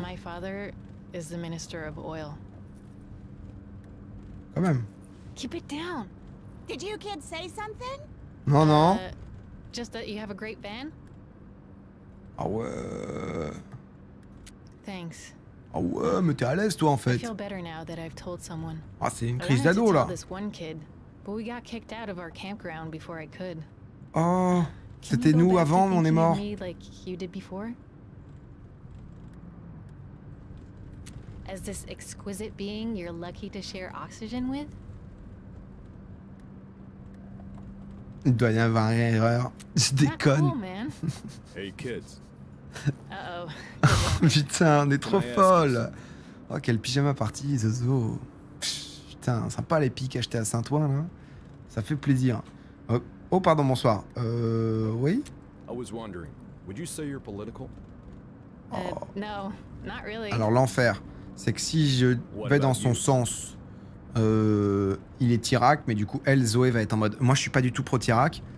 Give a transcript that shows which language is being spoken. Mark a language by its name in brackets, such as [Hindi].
[English] My father is the minister of oil. [French] Quand même. [English] Keep it down. Did you kids say something? [French] Non, non. [English] Just that you have a great van. [French] Ah ouais. [English] Thanks. [French] Ah ouais, mais t'es à l'aise toi en fait. [English] I feel better now that I've told someone. [French] Ah, c'est une crise d'ado là. [English] This one kid, but we got kicked out of our campground before I could. [French] Oh, c'était nous avant, on est mort. [English] Like you did before. As this exquisite being you're lucky to share oxygen with. [French] Il doit y avoir une erreur. Je déconne. [English] Hey kids. [French] Putain, on est trop folle. Oh, quel pyjama party, Zozo. Putain, sympa les piques achetées à Saint-Ouen, là. Ça fait plaisir. Oh, oh pardon, bonsoir. Oui. [English] I was wondering, would you say you're political? No, not really. [French] Alors l'enfer, c'est que si je vais dans son sens. Il est Tyrak, mais du coup, elle, Zoé, va être en mode... Moi, je suis pas du tout pro-Tyrak.